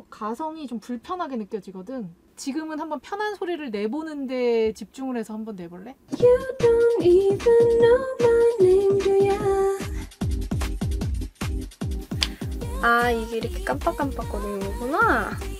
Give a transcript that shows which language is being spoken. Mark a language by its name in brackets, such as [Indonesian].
[Korean] 가성이 좀 불편하게 느껴지거든. 지금은 한번 편한 소리를 내보는데 집중을 해서 한번 내볼래? [English] You don't even know my name, do ya? [Korean] 아, 이게 이렇게 깜빡깜빡 거리는 거구나.